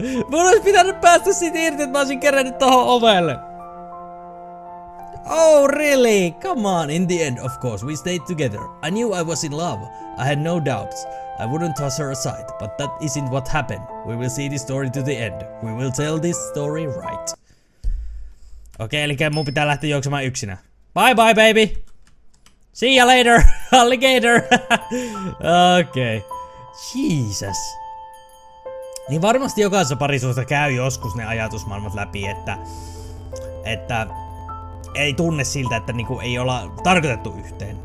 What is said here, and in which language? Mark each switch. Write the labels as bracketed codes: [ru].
[fi] Mun olisi pitänyt päästä siitä irti, että mä olisin kerännyt tohon ovelle. [en] Oh, really? Come on. In the end, of course, we stayed together. I knew I was in love. I had no doubts. I wouldn't toss her aside. But that isn't what happened. We will see this story to the end. We will tell this story right. [fi] Okei, okay, eli mun pitää lähteä juoksemaan yksinä. [en] Bye bye, baby! See ya later, alligator! Okei. Okay. Jesus. [fi] Niin varmasti jokaisessa parisuhteessa käy joskus ne ajatusmaailmat läpi, että ei tunne siltä, että niinku ei olla tarkoitettu yhteen.